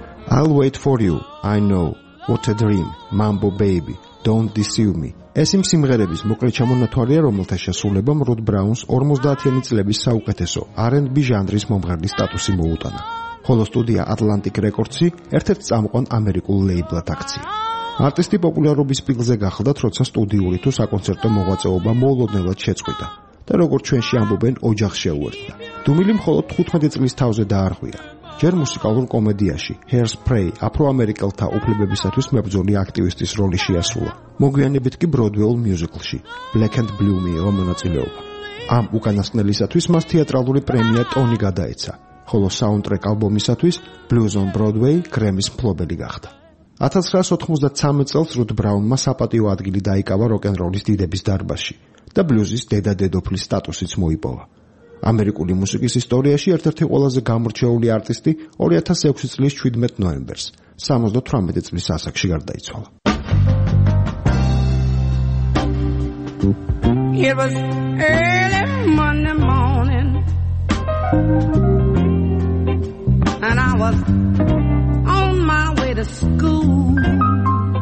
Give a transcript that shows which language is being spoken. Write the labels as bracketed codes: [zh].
[en] I'll wait for you, I know, what a dream, Mambo Baby, don't deceive me. [ka] ეს იმ სიმღერების მოკლე ჩამონათვალია, რომელთა შესრულებამ Ruth Brown-ს 50-იანი წლების საუკეთესო R&B ჟანრის მომღერლის სტატუსი მოუტანა. ხოლო სტუდია Atlantic Records-ი ერთ-ერთ წამყვან ამერიკულ ლეიბლად აქცია. არტისტი პოპულარობის პიკზე გახლდა, როცა სტუდიური თუ საკონცერტო მოღვაწეობა მოულოდნელად შეწყვიტა და როგორც ჩვენში ამბობენ, ოჯახს შეუერთდა. დუმილი მხოლოდ 15 წლის თავზე დაარღვია. ჯერ მუსიკალურ კომედიაში Hairspray აფროამერიკელთა უფლებებისათვის მებრძოლი აქტივისტის როლი შეასრულა. მოგვიანებით კი ბროდვეულ მიუზიკლში Black and Blue მიიღო მონაწილეობა. ამ უკანასკნელისათვის მას თეატრალური პრემია ტონი გადაეცა, ხოლო საუნდტრეკ ალბომისათვის Blues on Broadway გრემის მფლობელი გახდა. 1993 წელს Ruth Brown-მა საპატიო ადგილი დაიკავა როკენროლის დიდების დარბაზში და ბლუზის დედა დედოფლის სტატუსიც მოიპოვა. ამერიკული მუსიკის ისტორიაში ერთ-ერთი ყველაზე გამორჩეული არტისტი 2006 წლის 17 ნოემბერს 78 წლის ასაკში გარდაიცვალა. [en] It was early Monday morning and I was on my way to school.